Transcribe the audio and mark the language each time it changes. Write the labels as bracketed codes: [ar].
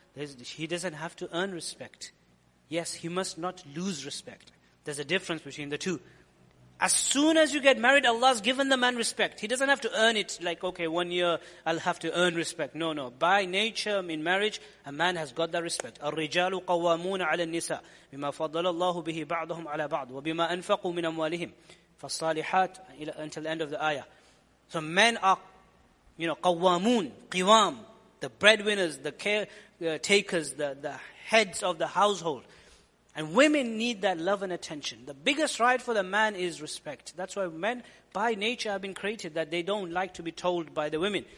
[en] He doesn't have to earn respect. Yes, he must not lose respect. There's a difference between the two. As soon as you get married, Allah's given the man respect. He doesn't have to earn it like, okay, 1 year, I'll have to earn respect. No, no. By nature, in marriage, a man has got that respect. [ar] الرِّجَالُ قَوَّامُونَ عَلَى النِّسَاءِ بِمَا فَضَّلَ اللَّهُ بِهِ بَعْضُهُمْ عَلَى بَعْضُ وَبِمَا أَنفَقُوا مِنْ أَمْوَالِهِمْ فَالصَّالِحَاتِ [en] Until the end of the ayah. So men are, you know, قَوَّامُونَ قِوَام, the breadwinners, the caretakers, the heads of the household. And women need that love and attention. The biggest right for the man is respect. That's why men, by nature, have been created that they don't like to be told by the women.